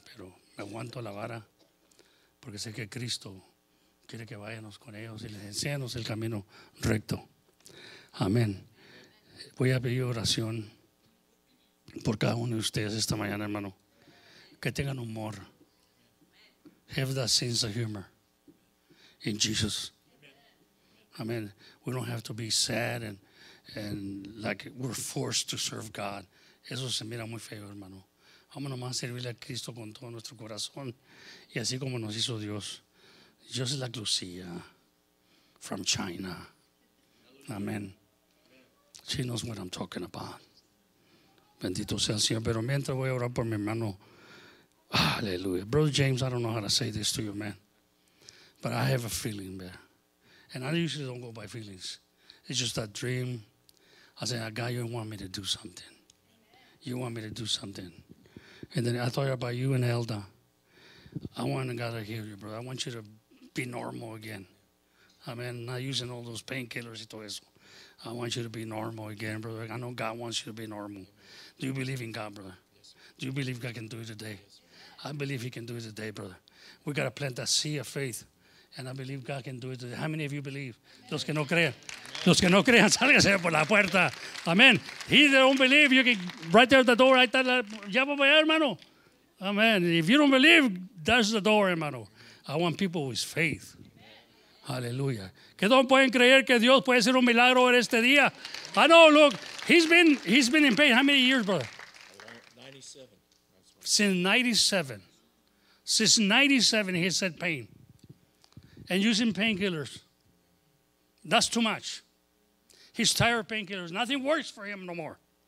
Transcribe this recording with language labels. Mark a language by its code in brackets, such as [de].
[es] Pero me aguanto la vara porque sé que Cristo quiere que vayamos con ellos y les enseñemos el camino recto. Amén. Voy a pedir oración por cada uno de ustedes esta mañana, hermano. Que tengan humor. [en] Have that sense of humor in Jesus. Amén. We don't have to be sad and like we're forced to serve God. [es] Eso se mira muy feo, hermano. Vamos nomás a servirle a Cristo con todo nuestro corazón y así como nos hizo Dios. Dios es la Lucía [en] from China. [es] Amén. [en] She knows what I'm talking about. [es] Bendito sea el Señor. Pero mientras voy a orar por mi hermano. Aleluya. [en] Brother James, I don't know how to say this to you, man. But I have a feeling there. And I usually don't go by feelings. It's just a dream. I said, God, you want me to do something. You want me to do something. And then I thought about you and Elda. I want God to heal you, brother. I want you to be normal again. Amen. Not using all those painkillers [es] y todo eso. [en] I want you to be normal again, brother. I know God wants you to be normal. Do you believe in God, brother? Do you believe God can do it today? I believe he can do it today, brother. We got to plant that seed of faith. And I believe God can do it today. How many of you believe? [es] Los que no crean. Los que no crean, sálganse por la puerta. [en] Amen. He that don't believe, you can right there at the door. [es] Ahí está la llave, hermano. [en] Amen. If you don't believe, that's the door, hermano. I want people with faith. Hallelujah. [es] ¿Qué don pueden creer que Dios puede hacer un milagro en este día? [en] I know, look, he's been in pain. How many years, brother? 97. Since 97, he said pain. And using painkillers. That's too much. He's tired of painkillers. Nothing works for him no more.